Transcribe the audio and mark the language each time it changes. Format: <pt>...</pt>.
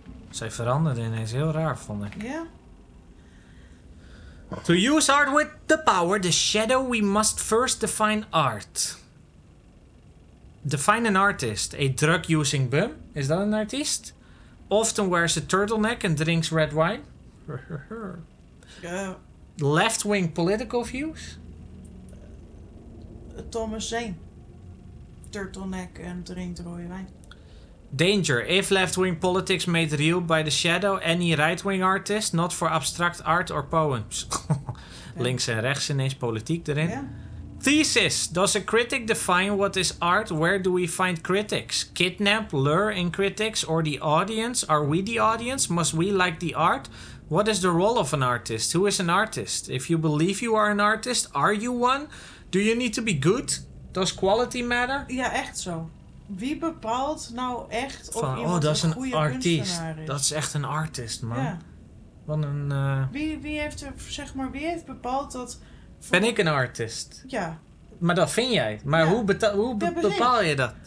<nl>Zij veranderde ineens heel raar, vond ik. Ja.</nl> <en>To use art with the power, the shadow, we must first define art. Define an artist. A drug-using bum.</en> <nl>Is dat een artiest?</nl> <en>Often wears a turtleneck and drinks red wine.</en> <nl>Ja.</nl> <en>Left-wing political views? Thomas Zane.</en> <nl>Turtleneck en drinkt rode wijn.</nl> <en>Danger. If left-wing politics made real by the shadow, any right-wing artist, not for abstract art or poems.</en> <nl>Ja. Links en rechts ineens politiek erin. Ja.</nl> <en>Thesis. Does a critic define what is art? Where do we find critics? Kidnap, lure in critics, or the audience? Are we the audience? Must we like the art? What is the role of an artist? Who is an artist? If you believe you are an artist, are you one? Do you need to be good? Does quality matter?</en> <nl>Ja, echt zo. Wie bepaalt nou echt of van, iemand dat is een goede artiest. Kunstenaar is? Dat is echt een artiest, man. Ja. Wat een... Wie heeft bepaald dat... Ben ik een artiest? Ja. Maar dat vind jij. Maar ja. hoe bepaal je dat?</nl>